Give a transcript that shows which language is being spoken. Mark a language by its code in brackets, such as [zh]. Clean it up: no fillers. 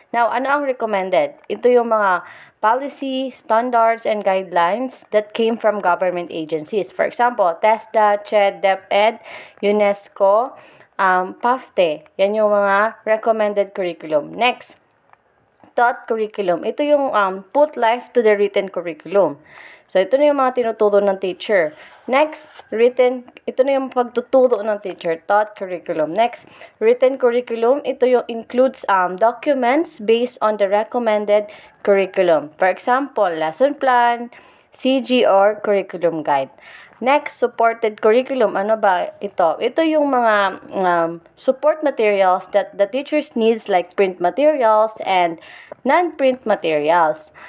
[en] Now, [tl] ano ang [en] recommended? [tl] Ito yung mga [en] policy, standards, and guidelines that came from government agencies. For example, TESDA, CHED, DepEd, UNESCO, PAFTE. [tl] Yan yung mga [en] recommended curriculum. Next, taught curriculum. [tl] Ito yung [en] put life to the written curriculum. [tl] So, ito na yung mga tinuturo ng teacher. [en] Next, written. [tl] Ito na yung pagtuturo ng teacher. [en] Taught curriculum. Next, written curriculum. [tl] Ito yung [en] includes documents based on the recommended curriculum. For example, lesson plan, CGR, curriculum guide. Next, supported curriculum. [tl] Ano ba ito? Ito yung mga [en] support materials that the teachers needs like print materials and non-print materials.